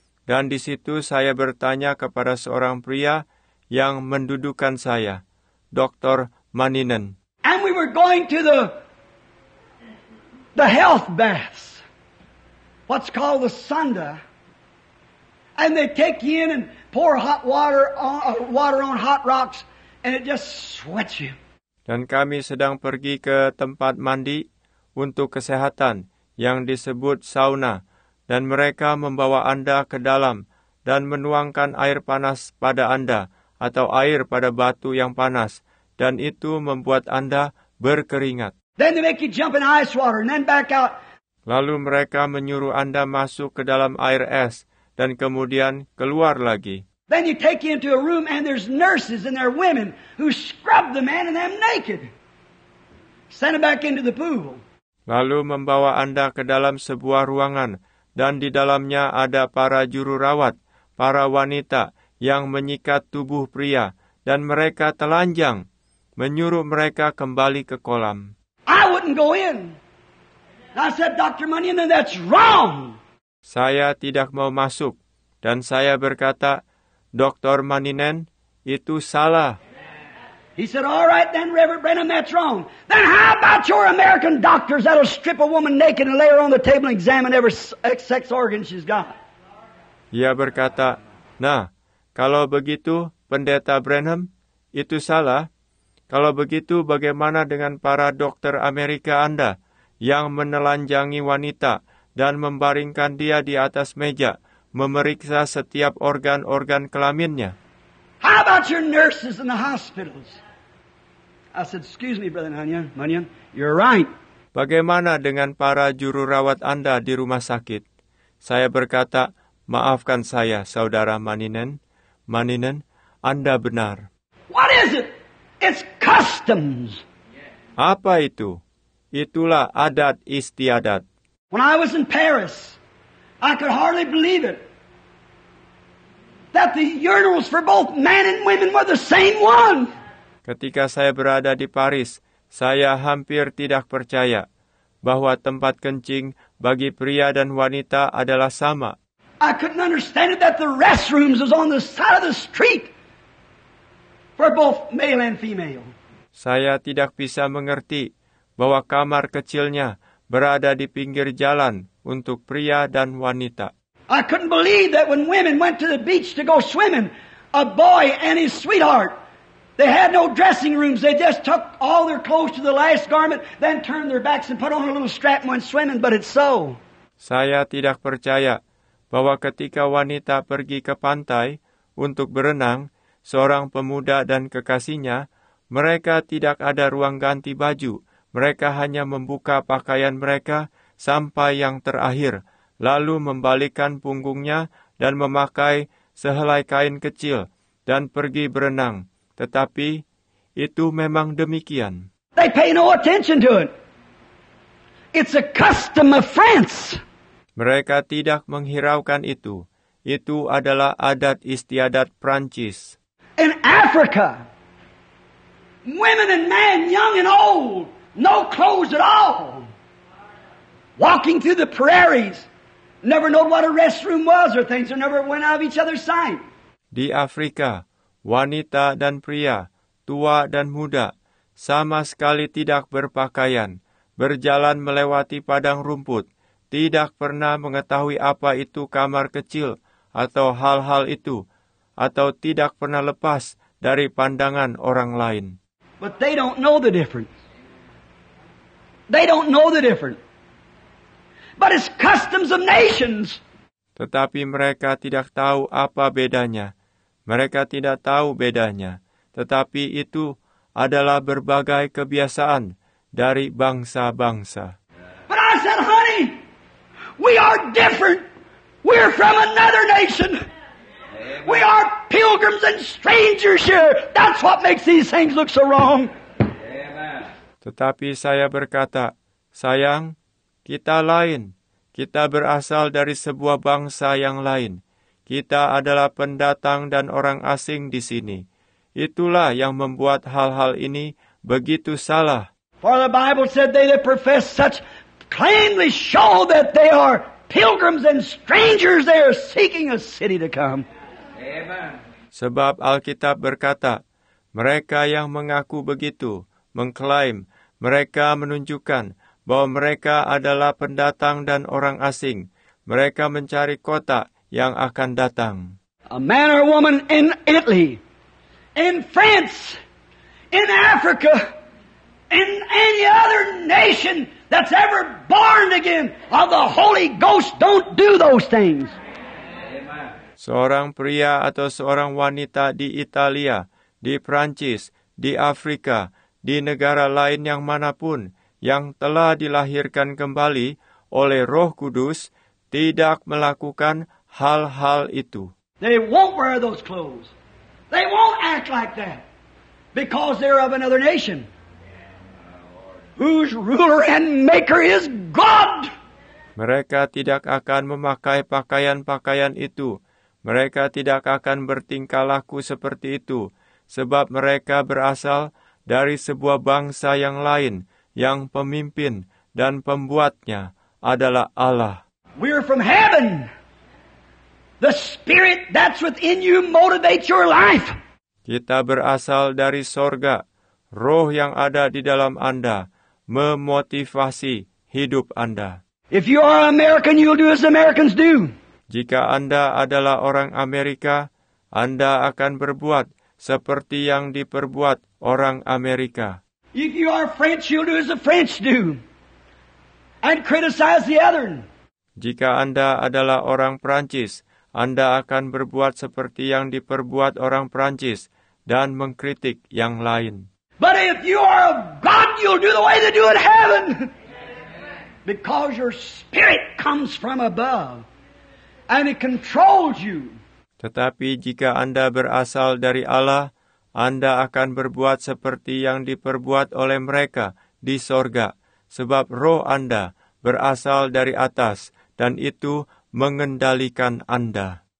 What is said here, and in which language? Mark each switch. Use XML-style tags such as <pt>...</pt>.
<id>dan di situ saya bertanya kepada seorang pria yang mendudukan saya, Dr. Manninen.</id> <en>And we were going to the health baths, what's called the sunda, and they take you in and pour hot water on hot rocks, and it just sweats you.</en> <id>Dan kami sedang pergi ke tempat mandi untuk kesehatan yang disebut sauna, dan mereka membawa Anda ke dalam dan menuangkan air panas pada Anda atau air pada batu yang panas, dan itu membuat Anda berkeringat.</id> <en>Then they make you jump in ice water and then back out.</en> <id>Lalu mereka menyuruh Anda masuk ke dalam air es dan kemudian keluar lagi.</id> <en>Then you take you into a room and there's nurses and there are women who scrub the man and them naked. Send them back into the pool.</en> <id>Lalu membawa Anda ke dalam sebuah ruangan dan di dalamnya ada para juru rawat, para wanita yang menyikat tubuh pria dan mereka telanjang, menyuruh mereka kembali ke kolam.</id> <en>I wouldn't go in. I said, Dr. Manninen, that's wrong.</en> <id>Saya tidak mau masuk. Dan saya berkata, Dr. Manninen, itu salah.</id> <en>He said, all right then, Reverend Branham, that's wrong. Then how about your American doctors that'll strip a woman naked and lay her on the table and examine every sex organ she's got?</en> <id>Ia berkata, nah, kalau begitu, Pendeta Branham, itu salah. Kalau begitu, bagaimana dengan para dokter Amerika Anda yang menelanjangi wanita dan membaringkan dia di atas meja, memeriksa setiap organ-organ kelaminnya?</id> <en>How about your nurses in the hospitals? I said, excuse me, Brother Manninen, you're right.</en> <id>Bagaimana dengan para juru rawat Anda di rumah sakit? Saya berkata, maafkan saya, Saudara Manninen. Manninen, Anda benar.</id> <en>What is it? It's customs.</en> <id>Apa itu? Itulah adat istiadat.</id> <en>When I was in Paris, I could hardly believe it. That the urinals for both men and women were the same one.</en> <id>Ketika saya berada di Paris, saya hampir tidak percaya bahwa tempat kencing bagi pria dan wanita adalah sama.</id> <en>I couldn't understand it that the restrooms was on the side of the street. For both male and female.</en> <id>Saya tidak bisa mengerti bahwa kamar kecilnya berada di pinggir jalan untuk pria dan wanita.</id> <en>I couldn't believe that when women went to the beach to go swimming, a boy and his sweetheart, they had no dressing rooms. They just took all their clothes to the last garment, then turned their backs and put on a little strap and went swimming, but it's so.</en> <id>Saya tidak percaya bahwa ketika wanita pergi ke pantai untuk berenang, seorang pemuda dan kekasihnya, mereka tidak ada ruang ganti baju. Mereka hanya membuka pakaian mereka sampai yang terakhir, lalu membalikkan punggungnya dan memakai sehelai kain kecil dan pergi berenang. Tetapi itu memang demikian.</id> <en>They pay no attention to it. It's a custom of France.</en> <id>Mereka tidak menghiraukan itu. Itu adalah adat istiadat Prancis.</id> <en>In Africa, women and men, young and old, no clothes at all, walking through the prairies, never know what a restroom was or things, or never went out of each other's sight.</en> <id>Di Afrika, wanita dan pria, tua dan muda, sama sekali tidak berpakaian, berjalan melewati padang rumput, tidak pernah mengetahui apa itu kamar kecil atau hal-hal itu, atau tidak pernah lepas dari pandangan orang lain.</id> <en>But they don't know the difference. They don't know the difference. But it's customs of nations.</en> <id>Tetapi mereka tidak tahu apa bedanya. Mereka tidak tahu bedanya. Tetapi itu adalah berbagai kebiasaan dari bangsa-bangsa.</id> <en>But I said, honey, we are different. We're from another nation. We are pilgrims and strangers here. That's what makes these things look so wrong.</en> <id>Tetapi saya berkata, sayang, kita lain. Kita berasal dari sebuah bangsa yang lain. Kita adalah pendatang dan orang asing di sini. Itulah yang membuat hal-hal ini begitu salah.</id> <en>For the Bible said they that profess such plainly show that they are pilgrims and strangers there seeking a city to come. Amen.</en> <id>Sebab Alkitab berkata, mereka yang mengaku begitu, mengklaim, mereka menunjukkan bahwa mereka adalah pendatang dan orang asing. Mereka mencari kota yang akan datang.</id> <en>A man or woman in Italy, in France, in Africa, in any other nation that's ever born again of the Holy Ghost don't do those things.</en> <id>Seorang pria atau seorang wanita di Italia, di Prancis, di Afrika, di negara lain yang manapun yang telah dilahirkan kembali oleh Roh Kudus tidak melakukan hal-hal itu.</id> <en>They won't wear those clothes. They won't act like that because they're of another nation. Whose ruler and maker is God?</en> <id>Mereka tidak akan memakai pakaian-pakaian itu. Mereka tidak akan bertingkah laku seperti itu, sebab mereka berasal dari sebuah bangsa yang lain, yang pemimpin dan pembuatnya adalah Allah.</id> <en>We are from heaven. The spirit that's within you motivates your life.</en> <id>Kita berasal dari sorga. Roh yang ada di dalam Anda memotivasi hidup Anda.</id> <en>If you are American, you'll do as Americans do.</en> <id>Jika Anda adalah orang Amerika, Anda akan berbuat seperti yang diperbuat orang Amerika.</id> <en>If you are French, you'll do as the French do and criticize the other.</en> <id>Jika Anda adalah orang Prancis, Anda akan berbuat seperti yang diperbuat orang Prancis dan mengkritik yang lain.</id> <en>But if you are of God, you'll do the way they do in heaven. Because your spirit comes from above and it controls you.</en> <id>Tetapi jika Anda berasal dari Allah, Anda akan berbuat seperti yang diperbuat oleh mereka di sorga. Sebab roh Anda berasal dari atas dan itu mengendalikan Anda.</id>